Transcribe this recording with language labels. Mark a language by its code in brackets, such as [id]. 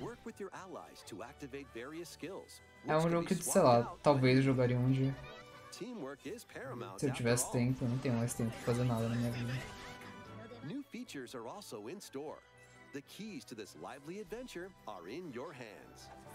[en] Work with your allies to activate various skills. [pt] É um jogo que, sei lá, talvez eu jogaria um dia. [en] Teamwork is paramount. [pt] Se eu tivesse tempo, eu não tenho mais tempo de fazer nada na minha vida. [en] New features are also in store. The keys to this lively adventure are in your hands.